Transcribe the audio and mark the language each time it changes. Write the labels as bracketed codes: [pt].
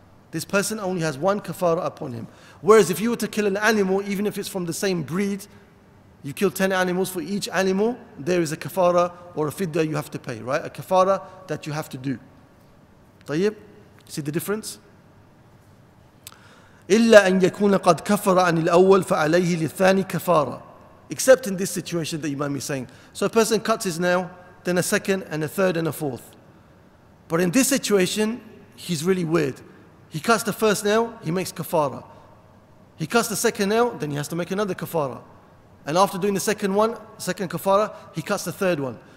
[en] This person only has one kafara upon him. Whereas if you were to kill an animal, even if it's from the same breed, you kill 10 animals for each animal, there is a kafara or a fidya you have to pay, right? A kafara that you have to do. Tayyib, see the difference? [ar] إِلَّا أَنْ يَكُونَ قَدْ كَفَرَ عَنِ الْأَوَّلِ فَعَلَيْهِ لِلثَّانِي كَفَارًا [en] Except in this situation that Imam is saying. So a person cuts his nail, then a second, and a third, and a fourth. But in this situation, he's really weird. He cuts the first nail, he makes kafara. He cuts the second nail, then he has to make another kafara. And after doing the second one, second kafara, he cuts the third one.